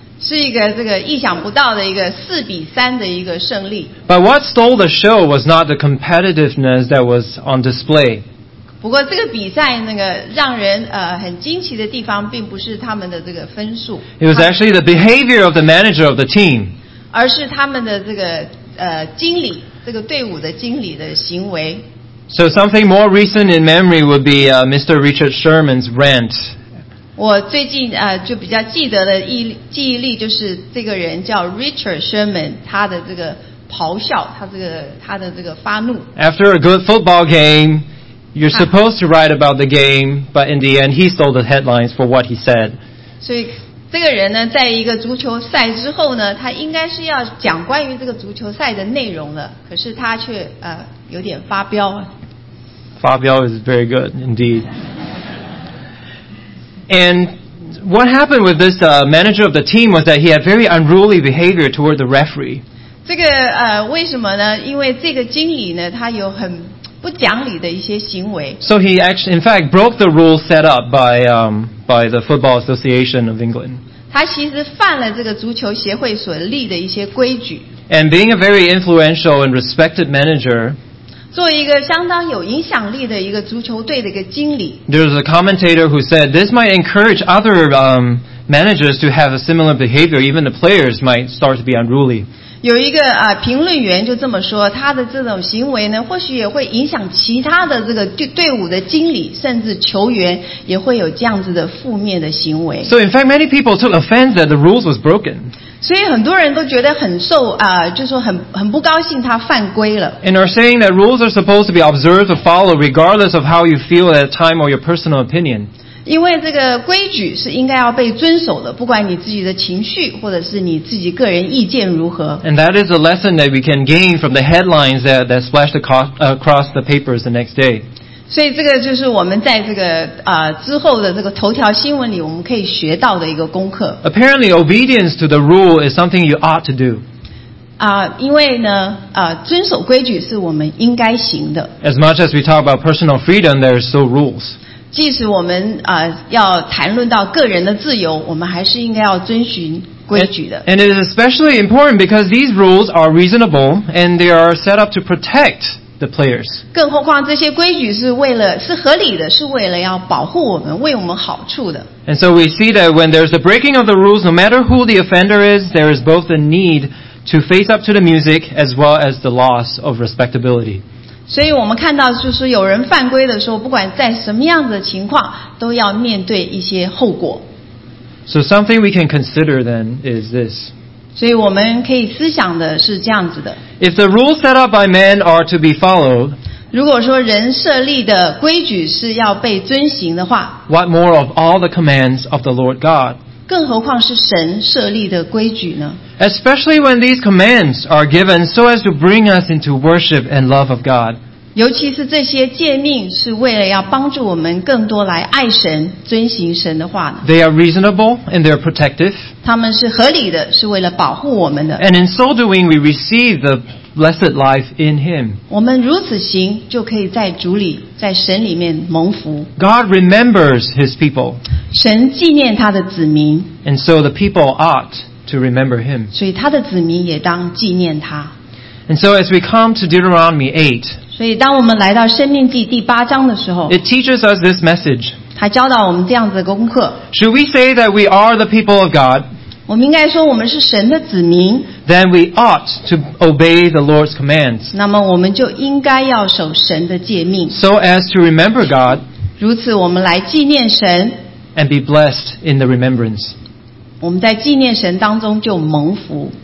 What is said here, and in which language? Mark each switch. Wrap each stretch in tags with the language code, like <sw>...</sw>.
<zh>是一个这个意想不到的一个四比三的一个胜利。</zh> <en>But what stole the show was not the competitiveness that was on display.</en> <zh>不过这个比赛那个让人很惊奇的地方并不是他们的这个分数。</zh> <en>It was actually the behavior of the manager of the team.</en> <zh>而是他们的这个经理，这个队伍的经理的行为。</zh> <en>So something more recent in memory would be Mr. Richard Sherman's rant.</en> <zh>我最近就比较记得的记忆力就是这个人叫 Richard Sherman, 他的这个咆哮，他的这个发怒。</zh> <en>After a good football game,You're supposed to write about the game, but in the end, he stole the headlines for what he said.</en> <zh>所以这个人呢，在一个足球赛之后呢，他应该是要讲关于这个足球赛的内容了，可是他却有点发飙。发飙</zh> <en>is very good indeed. And what happened with this manager of the team was that he had very unruly behavior toward the referee.</en> <zh>这个为什么呢？因为这个经理呢，他有很</zh> <en>So he actually, in fact, broke the rules set up by, um, by the Football Association of England.</en> <zh>他其实犯了这个足球协会所立的一些规矩。</zh> <en>And being a very influential and respected manager,</en> <zh>作为一个相当有影响力的一个足球队的一个经理。</zh> <en>There's a commentator who said this might encourage other managers to have a similar behavior. Even the players might start to be unruly.</en> <zh>有一个评论员就这么说，他的这种行为呢，或许也会影响其他的这个队伍的经理，甚至球员也会有这样子的负面的行为。</zh> <en>So in fact, many people took offense that the rules was broken.</en> <zh>所以很多人都觉得很受就说很不高兴他犯规了。</zh> <en>And are saying that rules are supposed to be observed or followed regardless of how you feel at the time or your personal opinion.</en> <zh>因为这个规矩是应该要被遵守的，不管你自己的情绪或者是你自己个人意见如何。</zh> <en>And that is a lesson that we can gain from the headlines that splashed across the papers the next day.</en> <zh>所以这个就是我们在这个之后的这个头条新闻里我们可以学到的一个功课。</zh> <en>Apparently, obedience to the rule is something you ought to do.</en> <zh>因为呢遵守规矩是我们应该行的。</zh> <en>As much as we talk about personal freedom, there are still rules.</en> <zh>即使我们要谈论到个人的自由，我们还是应该要遵循规矩的。</zh> <en>And it is especially important because these rules are reasonable and they are set up to protect the players.</en> <zh>更何况这些规矩是合理的，是为了要保护我们，为我们好处的。</zh> <en>And so we see that when there's a breaking of the rules, no matter who the offender is, there is both the need to face up to the music as well as the loss of respectability.</en> <zh>所以我们看到就是有人犯规的时候不管在什么样子的情况都要面对一些后果。</zh> <en>So something we can consider then is this.</en> <zh>所以我们可以思想的是这样子的。</zh> <en>If the rules set up by men are to be followed,</en> <zh>如果说人设立的规矩是要被遵行的话,</zh> <en>what more of all the commands of the Lord God?</en> <zh>更何况是神设立的规矩呢?</zh> <en>Especially when these commands are given so as to bring us into worship and love of God.</en> <zh>尤其是这些诫命是为了要帮助我们更多来爱神、遵行神的话呢?</zh> <en>They are reasonable and they are protective.</en> <zh>他们是合理的,是为了保护我们的。</zh> <en>And in so doing, we receive the blessed life in Him.</en> <zh>我们如此行,就可以在主里,在神里面蒙福。</zh> <en>God remembers His people.</en> <zh>神纪念他的子民。</zh> <en>And so the people ought to remember Him.</en> <zh>所以他的子民也当纪念他。</zh> <en>And so as we come to Deuteronomy 8,</en> <zh>所以当我们来到《申命记》第八章的时候,</zh> <en>it teaches us this message.</en> <zh>他教导我们这样子的功课。</zh> <en>Should we say that we are the people of God?</en> <zh>我们应该说我们是神的子民。</zh> <en>Then we ought to obey the Lord's commands.</en> <zh>那么我们就应该要守神的诫命。</zh> <en>So as to remember God,</en> <zh>如此我们来纪念神。</zh> <en>And be blessed in the remembrance.</en> <zh>我们在纪念神当中就蒙福。</zh>